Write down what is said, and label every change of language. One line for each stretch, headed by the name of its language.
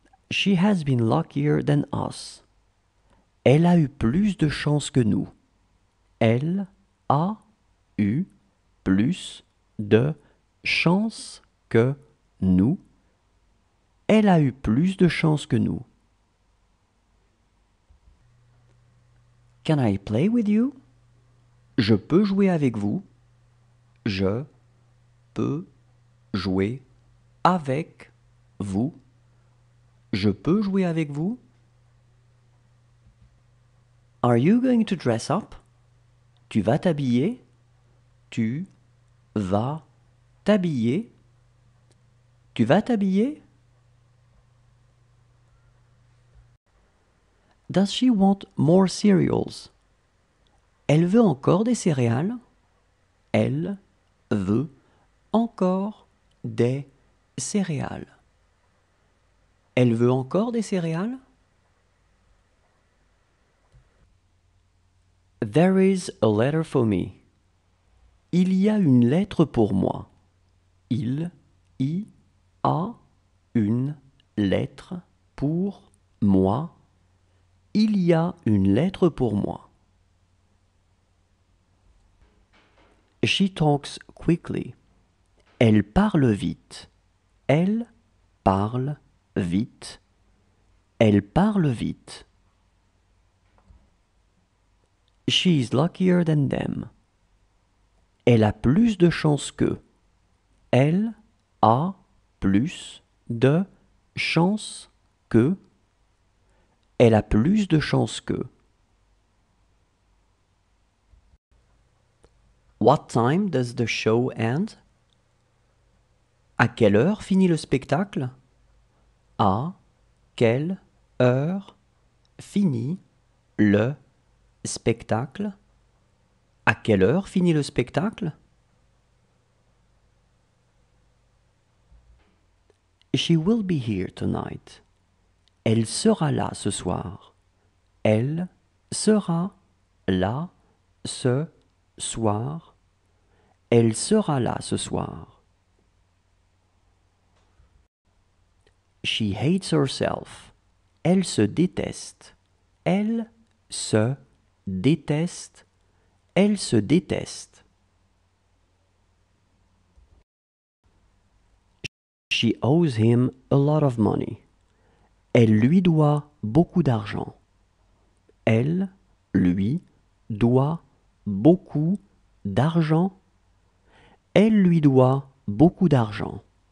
English: She has been luckier than us.
French: Elle a eu plus de chance que nous. Elle a eu plus de chance que nous. Elle a eu plus de chance que nous.
English: Can I play with you?
French: Je peux jouer avec vous. Je peux jouer avec vous. Je peux jouer avec vous?
English: Are you going to dress up?
French: Tu vas t'habiller? Tu vas t'habiller? Tu vas t'habiller?
English: Does she want more cereals?
French: Elle veut encore des céréales? Elle veut encore des céréales. Elle veut encore des céréales?
English: There is a letter for me.
French: Il y a une lettre pour moi. Il y a une lettre pour moi. Il y a une lettre pour moi.
English: She talks quickly.
French: Elle parle vite. Elle parle vite. Elle parle vite.
English: She is luckier than them.
French: Elle a plus de chance qu'eux. Elle a plus de chance qu'eux. Elle a plus de chance qu'eux.
English: What time does the show end?
French: À quelle heure finit le spectacle? À quelle heure finit le spectacle? À quelle heure finit le spectacle?
English: She will be here tonight.
French: Elle sera là ce soir. Elle sera là ce soir. Elle sera là ce soir.
English: She hates herself.
French: Elle se déteste. Elle se déteste. Elle se déteste.
English: She owes him a lot of money.
French: Elle lui doit beaucoup d'argent. Elle lui doit beaucoup d'argent. Elle lui doit beaucoup d'argent.